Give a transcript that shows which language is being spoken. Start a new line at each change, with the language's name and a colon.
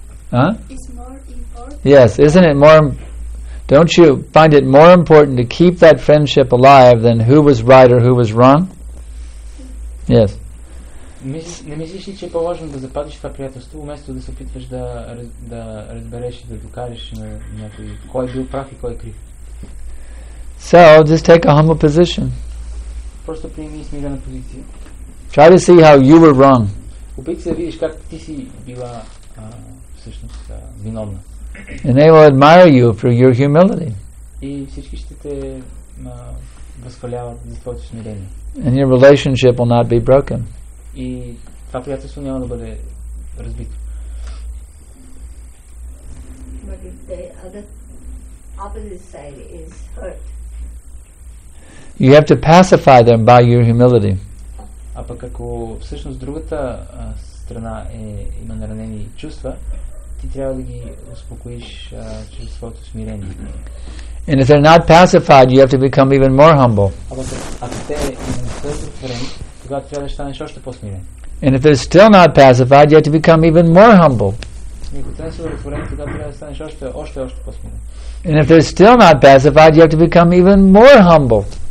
English: Don't you find it more important to keep that friendship alive than who was right or who was wrong? Yes.
Bulgarian: Не мислиш ли, че е по-важно да запазиш това приятелство, вместо да се опитваш да разбереш и да докажеш на някой кой е бил прав и кой е крив?
English: So, just take a humble position.
Bulgarian: Просто приеми смирена позиция.
English: Try to see how you were wrong.
Bulgarian: Опитай се да видиш как ти си била всъщност виновна.
English: And they will admire you for your humility.
Bulgarian: И всички ще те възхваляват за твоето смирение.
English: And your relationship will not be broken.
Bulgarian: И това приятелство няма да бъде разбито.
English: But if the opposite side is hurt. You have to pacify them by your humility.
Bulgarian: А пък ако всъщност другата страна е, има наранени чувства, ти трябва да ги успокоиш чрез своето смирение.
English: And if they're not pacified, you have to become even more humble.
Bulgarian: Ако те не са затворени, тогава трябва да станеш още по-смирен.
English: And if they're still not pacified, you have to become even more humble. And if they're still not pacified, you have to become even more humble.